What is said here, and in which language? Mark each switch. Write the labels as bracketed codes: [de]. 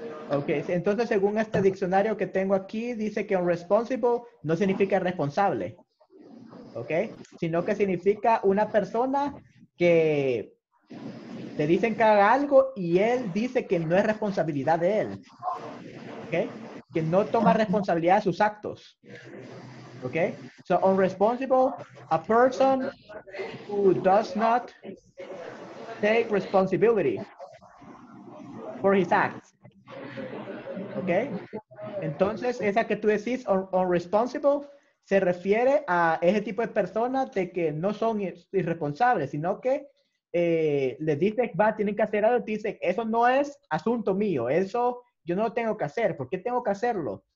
[es] Ok, entonces según este diccionario que tengo aquí, dice que unresponsible no significa responsable. Ok, sino que significa una persona que te dicen que haga algo y él dice que no es responsabilidad de él. Ok, que no toma responsabilidad de sus actos. [en] Ok, so unresponsible, a person who does not take responsibility for his acts. [es] Ok, entonces esa que tú decís, unresponsible, se refiere a ese tipo de personas de que no son irresponsables, sino que le dices, va, tienen que hacer algo, te dicen, eso no es asunto mío, eso yo no lo tengo que hacer, ¿por qué tengo que hacerlo?